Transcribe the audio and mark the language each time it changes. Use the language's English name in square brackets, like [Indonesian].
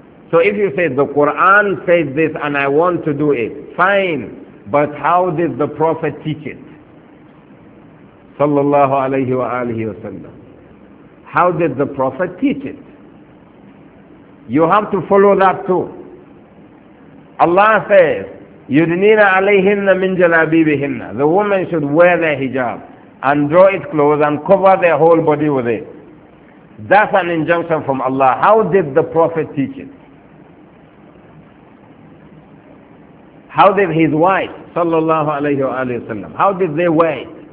[English] So if you say, the Quran says this and I want to do it, fine. But how did the Prophet teach it? Sallallahu alayhi wa alihi wa sallam. How did the Prophet teach it? You have to follow that too. Allah says, [Arabic] يُدْنِينَ عَلَيْهِنَّ مِنْ جَلَابِيبِهِنَّ. [English] The woman should wear their hijab and draw its clothes and cover their whole body with it. That's an injunction from Allah. How did the Prophet teach it? How did his wife, sallallahu alayhi wa alihi wa sallam, how did they wear it?